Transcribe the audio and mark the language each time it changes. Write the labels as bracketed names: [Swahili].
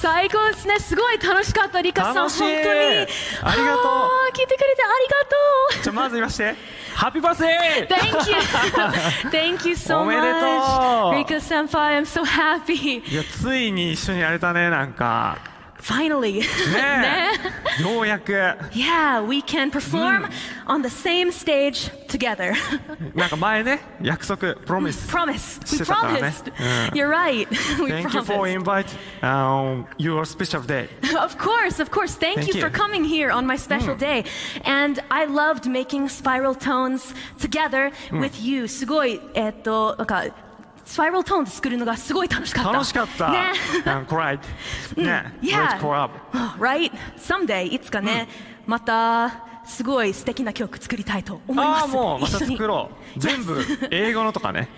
[Japanese] 最高ですね。すごい楽しかった、リカさん。楽しい。本当に。ありがとう。聞いてくれてありがとう。じゃあまず言いまして。ハッピーバースデー。 [English] Thank you. Thank you so much. [Japanese] おめでとう。 [English] Rikka senpai, I'm so happy. [Japanese] いや、ついに一緒にやれたね、なんか。 [English] Finally. [Japanese] ね。ようやく。 [English] Yeah, we can perform on the same stage together. [Japanese] なんか前ね、約束、 [English] promise. Promise. We promised. You're right. Thank you for inviting on your special day. Of course, of course. Thank you for coming here on my special day. And I loved making spiral tones together with you. [Japanese] すごい、なんか、スパイラルトーンで作るのがすごい楽しかった。楽しかった。ね。 [English] And cried. ね。 Yeah. Let's collab. Right. Someday, [Japanese] いつかね、またすごい素敵な曲作りたいと思います。ああ、もうまた作ろう。全部英語のとかね。